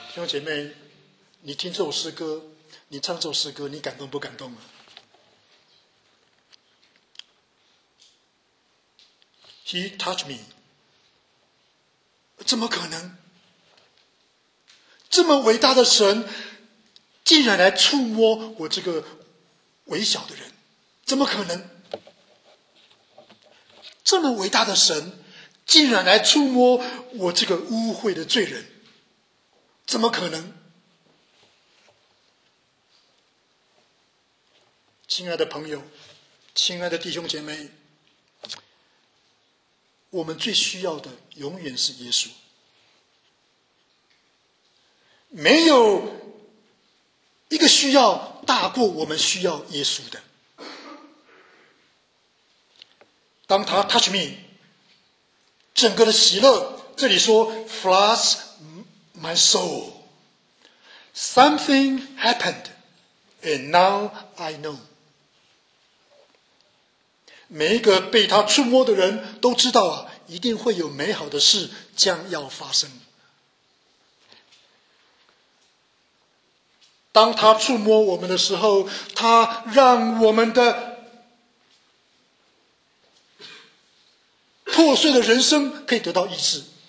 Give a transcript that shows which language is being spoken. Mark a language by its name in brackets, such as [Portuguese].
[Chinese] 姐妹，你听这首诗歌，你唱这首诗歌，你感动不感动啊？ [English] He touched me， [Chinese] 怎么可能？这么伟大的神，竟然来触摸我这个微小的人，怎么可能？这么伟大的神，竟然来触摸我这个污秽的罪人。怎么可能？亲爱的朋友，亲爱的弟兄姐妹，我们最需要的永远是耶稣。没有一个需要大过我们需要耶稣的。当他 [English] touch me， [Chinese] 整个的喜乐，这里说 [English] floods my soul。 Something happened, and now I know. [Chinese] 每一个被他触摸的人都知道啊，一定会有美好的事将要发生。当他触摸我们的时候，他让我们的破碎的人生可以得到医治。